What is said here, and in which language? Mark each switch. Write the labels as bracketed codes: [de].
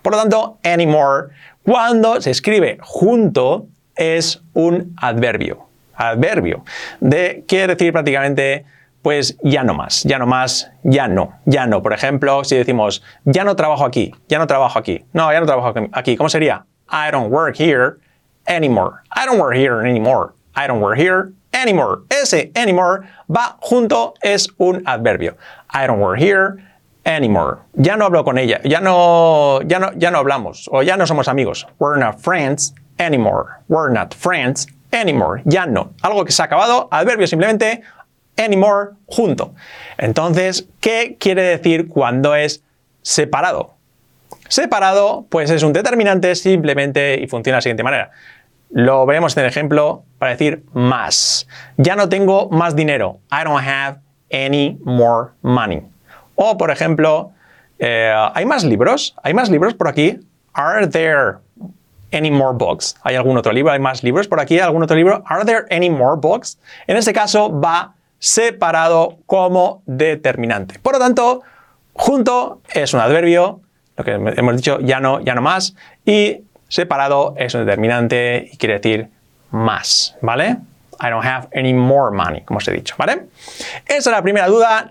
[es] Por lo tanto, anymore, cuando se escribe junto, es un adverbio. Adverbio. De quiere decir prácticamente, pues ya no más. Ya no más, ya no. Ya no. Por ejemplo, si decimos, ya no trabajo aquí. Ya no trabajo aquí. No, ya no trabajo aquí. ¿Cómo sería? [en] I don't work here anymore. I don't work here anymore. I don't work here anymore. [es] Ese anymore va junto, es un adverbio. [en] I don't work here anymore. [es] Ya no hablo con ella. Ya no hablamos. O ya no somos amigos. [en] We're not friends anymore. We're not friends anymore. [es] Ya no. Algo que se ha acabado. Adverbio simplemente. Anymore. Junto. Entonces, ¿qué quiere decir cuando es separado? Separado, pues es un determinante simplemente y funciona de la siguiente manera. Lo vemos en el ejemplo para decir más. Ya no tengo más dinero. [en] I don't have any more money. [es] O, por ejemplo, ¿hay más libros? ¿Hay más libros por aquí? [en] Are there any more books? [es] ¿Hay algún otro libro? ¿Hay más libros por aquí? ¿Algún otro libro? [en] Are there any more books? [es] En este caso, va separado como determinante. Por lo tanto, junto es un adverbio, lo que hemos dicho, ya no, ya no más. Y separado es un determinante y quiere decir más, ¿vale? [en] I don't have any more money, [es] como os he dicho, ¿vale? Esa es la primera duda.